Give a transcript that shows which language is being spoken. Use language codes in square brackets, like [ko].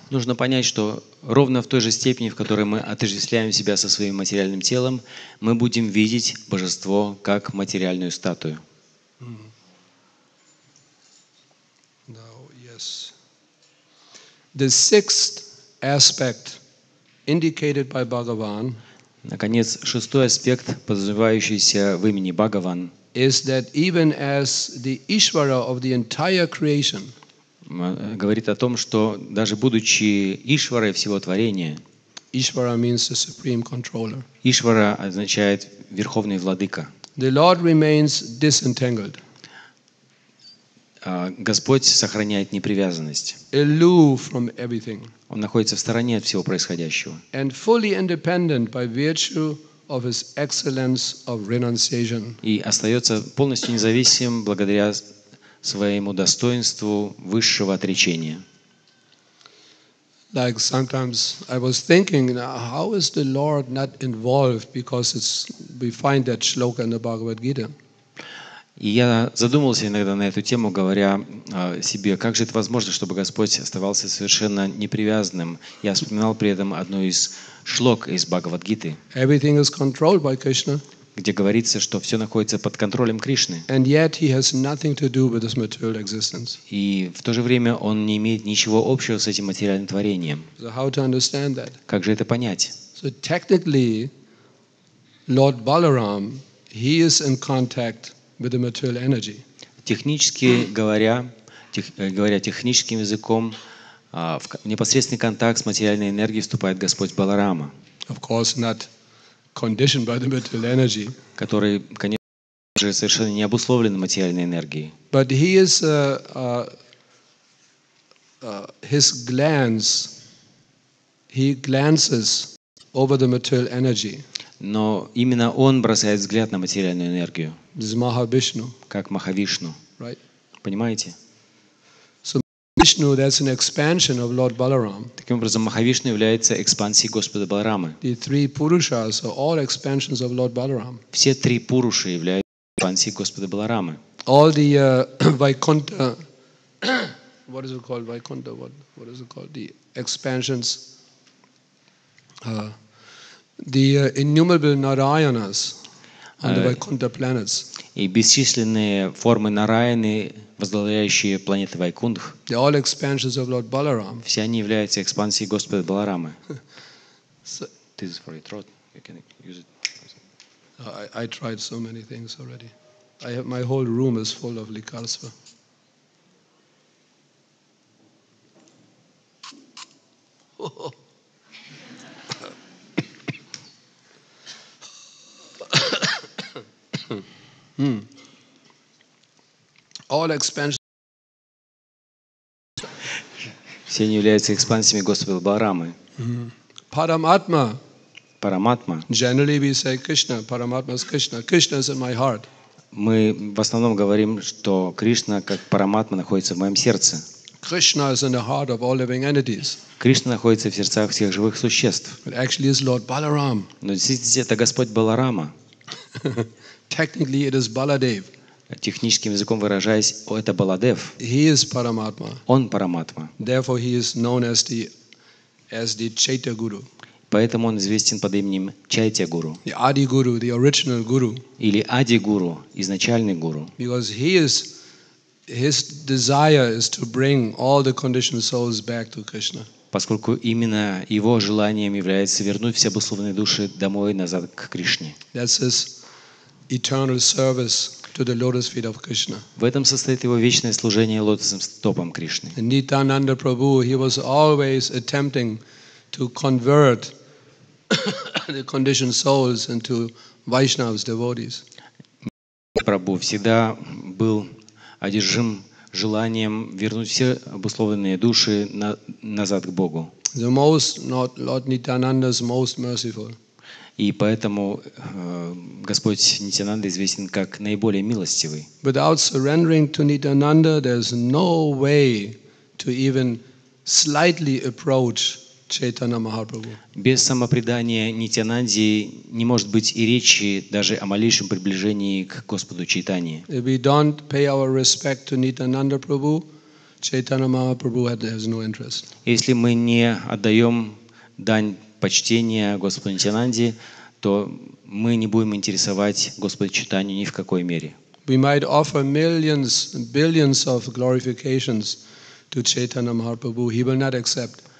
[ru] Нужно понять, что ровно в той же степени, в которой мы отождествляем себя со своим материальным телом, мы будем видеть божество как материальную статую. [en] Now, yes. The sixth aspect indicated by Bhagavan. [ru] Наконец, шестой аспект, подразумевающийся в имени Бхагаван, [en] is that even as the Ishvara of the entire creation, [ru] говорит о том, что даже будучи Ишварой всего творения, [en] Ishvara means the supreme controller. [ru] Ишвара означает верховный владыка. [en] The Lord remains disentangled. [ru] Господь сохраняет непривязанность. [en] Aloof from everything. [ru] Он находится в стороне от всего происходящего. [en] And fully independent by virtue of his excellence of renunciation. [ru] И остается полностью независим благодаря своему достоинству высшего отречения. [en] Like sometimes I was thinking, how is the Lord not involved? Because it's, we find that shloka in the Bhagavad Gita. [ru] И я задумался иногда на эту тему, говоря себе, как же это возможно, чтобы Господь оставался совершенно непривязанным. Я вспоминал при этом одну из шлок из Бхагавад-гиты, [en] Everything is controlled by Krishna, [ru] где говорится, что все находится под контролем Кришны. [en] And yet he has nothing to do with this material existence. [ru] И в то же время он не имеет ничего общего с этим материальным творением. [en] So how to understand that? [ru] Как же это понять? [en] So technically, Lord Balaram, he is in contact with the material energy. [ru] Технически говоря, техническим языком, в непосредственный контакт с материальной энергией вступает Господь Баларама. [en] Of course, not conditioned by the material energy. [ru] Который, конечно же, совершенно не обусловлен материальной энергией. [en] But he is his glance. He glances over the material energy. [ru] Но именно он бросает взгляд на материальную энергию. [en] Mahavishnu. [ru] Как Махавишну. [en] Right. [ru] Понимаете? [en] So, Mahavishnu, that's an expansion of Lord Balaram. [ru] Таким образом, Махавишна является экспансией Господа Баларамы. [en] The three Purushas are all expansions of Lord Balaram. [ru] Все три Пуруши являются экспансией Господа Баларамы. [en] All the Vaikuntha, what is it called, Vaikuntha, what is it called, the expansions, the innumerable Narayanas, on the Vaikuntha planets. [ru] И бесчисленные формы Нараяны, возглавляющие планеты Вайкунтх. [en] They're all expansions of Lord Balaram. [ru] Все они являются экспансией Господа Баларамы. [en] So, this is for your throat. You can use it. I tried so many things already. I have my whole room is full of lekarstva. All expansions. [ru] Все они являются экспансиями Господа Баларамы. Параматма. Параматма. [en] Generally we say Krishna. Параматма is Krishna. Krishna is in my heart. [ru] Мы в основном говорим, что Кришна как Параматма находится в моем сердце. [en] Krishna is in the heart of all living entities. [ru] Кришна находится в сердцах всех живых существ. [en] It actually is Lord Balaram. [ru] Но действительно это Господь Баларама. [en] Technically, it is Baladev. [ru] Техническим языком выражаясь, это Баладев. [en] He is Paramatma. [ru] Он Параматма. [en] Therefore, he is known as the Chaitya Guru. [ru] Поэтому он известен под именем Чайтья Гуру. [en] The Adi Guru, the original Guru. [ru] Или Ади Гуру, изначальный Гуру. [en] Because his desire is to bring all the conditioned souls back to Krishna. [ru] Поскольку именно его желанием является вернуть все обусловленные души домой назад к Кришне. [en] That's his eternal service to the lotus feet of Krishna. [ru] В этом состоит его вечное служение лотосным стопам Кришны. [en] Nityananda Prabhu, he was always attempting to convert the conditioned souls into Vaishnavas devotees. [ru] Прабху всегда был одержим желанием вернуть все обусловленные души назад к Богу. [en] Lord Nityananda's most merciful. [ru] И поэтому Господь Нитянанда известен как наиболее милостивый. [en] Without surrendering to Nityananda, there's no way to even slightly approach Chaitanya Mahaprabhu. [ru] Без самопредания Нитянанде не может быть и речи даже о малейшем приближении к Господу Чайтанье. [en] If we don't pay our respect to Nityananda Prabhu, Чайтана Махапрабху has no interest. [ru] Если мы не отдаем дань почтения Господу Нитянанде, то мы не будем интересовать Господа Чайтанью ни в какой мере. [en] We might offer millions, billions of glorifications to Chaitanya Mahaprabhu. He will not accept.